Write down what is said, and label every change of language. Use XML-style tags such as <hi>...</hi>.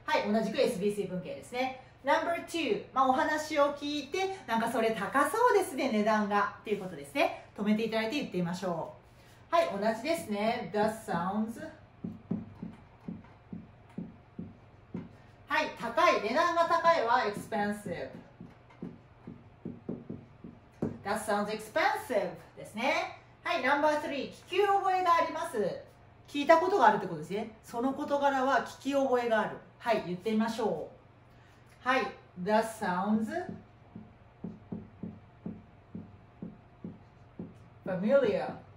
<ja>はい、同じく SBC 文型ですね。No.2、 まあ、お話を聞いてなんかそれ高そうですね、値段がっていうことですね。止めていただいて言ってみましょう。はい、同じですね。</ja> <en>That sounds</en> <ja>はい、高い、値段が高いは expensive。</ja> <en>That sounds expensive</en> <ja>ですね。はい、 No.3、 聞き覚えがあります、聞いたことがあるってことですね。その事柄は聞き覚えがある。はい、言ってみましょう。はい、</ja> <en>That sounds familiar。</en>